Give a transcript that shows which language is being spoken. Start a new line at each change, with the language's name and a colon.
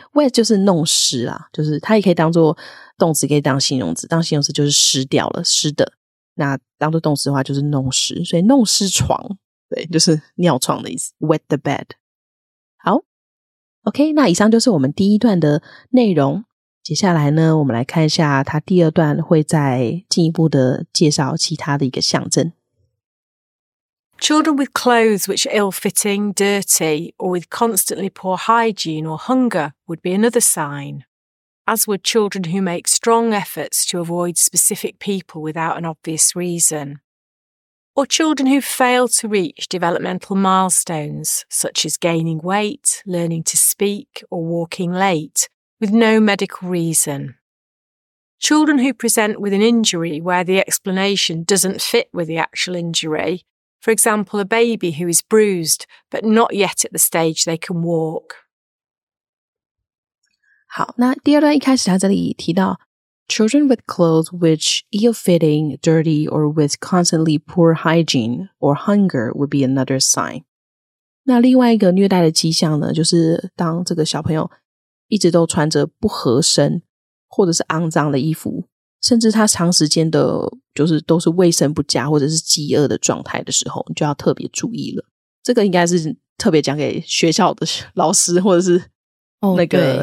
Chinese: wet 就是弄湿啦，就是它也可以当做动词，可以当形容词，当形容词就是湿掉了，湿的，那当做动词的话就是弄湿，所以弄湿床，对，就是尿床的意思，
English: wet the bed。
Chinese: 好， OK， 那以上就是我们第一段的内容，接下来呢我们来看一下它第二段会再进一步的介绍其他的一个象征。
English: Children with clothes which are ill-fitting, dirty, or with constantly poor hygiene or hunger would be another sign, as would children who make strong efforts to avoid specific people without an obvious reason, or children who fail to reach developmental milestones such as gaining weight, learning to speak, or walking late with no medical reason. Children who present with an injury where the explanation doesn't fit with the actual injury, for example, a baby who is bruised, but not yet at the stage they can walk.
Chinese: 好，那第二段一开始他这里提到
English: children with clothes which ill-fitting, dirty, or with constantly poor hygiene or hunger would be another sign.
Chinese: 那另外一个虐待的迹象呢，就是当这个小朋友一直都穿着不合身或者是肮脏的衣服，甚至他长时间的就是都是卫生不佳或者是饥饿的状态的时候，你就要特别注意了。这个应该是特别讲给学校的老师或者是那个、